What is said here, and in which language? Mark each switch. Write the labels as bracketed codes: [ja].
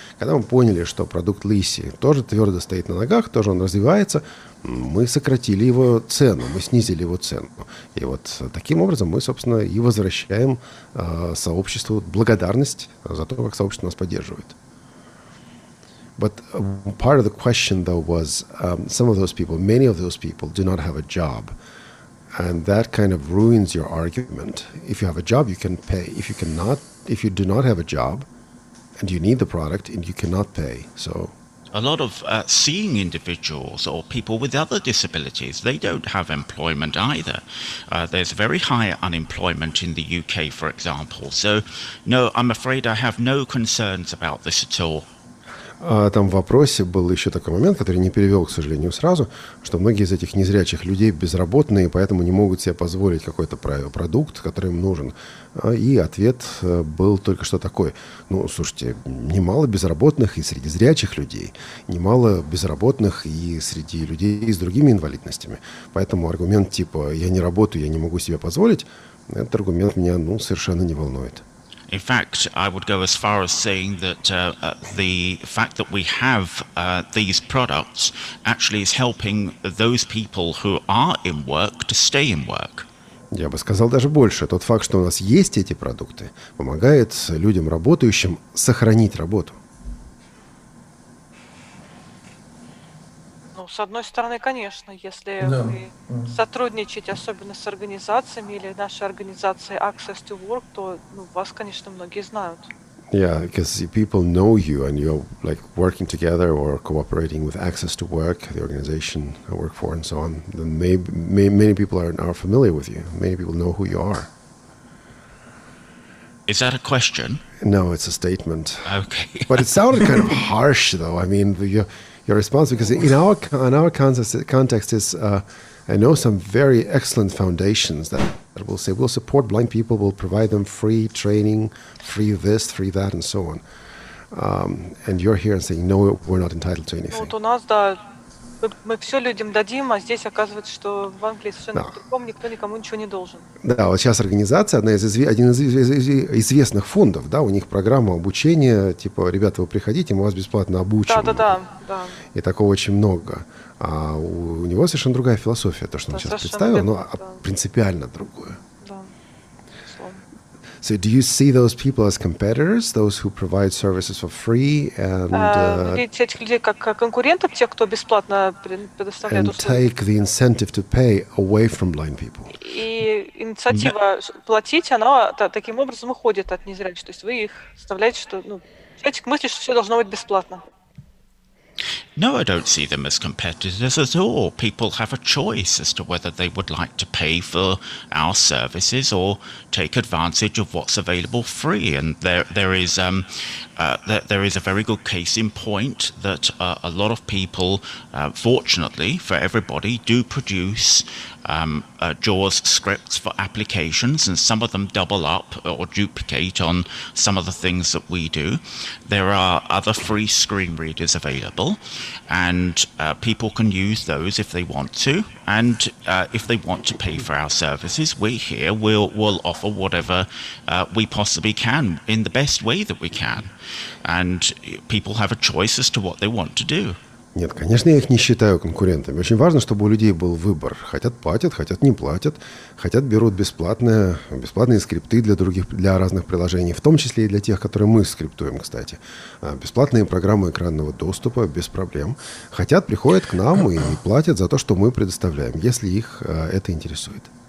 [ru] Когда мы поняли, что продукт Lisi тоже твердо стоит на ногах, тоже он развивается, мы сократили его цену, мы снизили его цену. И вот таким образом мы, собственно, и возвращаем сообществу благодарность за то, как сообщество нас поддерживает. [en] But part of the question, though, was some of those people, many of those people do not have a job. And that kind of ruins your argument. If you have a job, you can pay. If you do not have a job, and you need the product, and you cannot pay, so... A lot of seeing individuals or people with other disabilities, they don't have employment either. There's very high unemployment in the UK, for example. So, no, I'm afraid I have no concerns about this at all. [ru] Там в вопросе был еще такой момент, который не перевел, к сожалению, сразу, что многие из этих незрячих людей безработные, поэтому не могут себе позволить какой-то продукт, который им нужен. И ответ был только что такой. Ну, слушайте, немало безработных и среди зрячих людей, немало безработных и среди людей с другими инвалидностями. Поэтому аргумент типа «я не работаю, я не могу себе позволить», этот аргумент меня, ну, совершенно не волнует. [en] In fact, I would go as far as saying that the fact that we have these products actually is helping those people who are in work to stay in work. [ru] Я бы сказал даже больше. Тот факт, что у нас есть эти продукты, помогает людям, работающим, сохранить работу. Ну, с одной стороны, конечно, если вы сотрудничаете, особенно с организациями или нашей организацией Access to Work, то ну, вас, конечно, многие знают. [en] Yeah, because people know you and you're like working together or cooperating with Access to Work, the organization I work for and so on. Then many people are familiar with you. Many people know who you are. Is that a question? No, it's a statement. Okay. But it sounded kind of harsh, though. I mean, your response, because in our context is, I know some very excellent foundations that will say, we'll support blind people, we'll provide them free training, free this, free that, and so on. And you're here and saying, no, we're not entitled to anything. [ru] Вот у нас, да, мы все людям дадим, а здесь оказывается, что в Англии совершенно по-другому, никто никому ничего не должен. Да, вот сейчас организация, один из известных фондов, да, у них программа обучения, типа, ребята, вы приходите, мы вас бесплатно обучим. Да. И такого очень много. А у него совершенно другая философия, то, что он сейчас представил, принципиально другую. [en] So do you see those people as competitors, those who provide services for free and take the incentive to pay away from blind people? [ru] И инициатива платить, она таким образом уходит от незрячих. То есть вы их заставляете, что, ну, человек мыслит, что все должно быть бесплатно. [en] No, I don't see them as competitors at all. People have a choice as to whether they would like to pay for our services or take advantage of what's available free. And there is a very good case in point that a lot of people, fortunately for everybody, do produce JAWS scripts for applications, and some of them double up or duplicate on some of the things that we do. There are other free screen readers available, and people can use those if they want to. And if they want to pay for our services, we here will offer whatever we possibly can in the best way that we can. And people have a choice as to what they want to do. [ru] Нет, конечно, я их не считаю конкурентами. Очень важно, чтобы у людей был выбор. Хотят платят, хотят не платят, хотят берут бесплатные скрипты для разных приложений, в том числе и для тех, которые мы скриптуем, кстати. Бесплатные программы экранного доступа, без проблем. Хотят, приходят к нам и платят за то, что мы предоставляем, если их это интересует.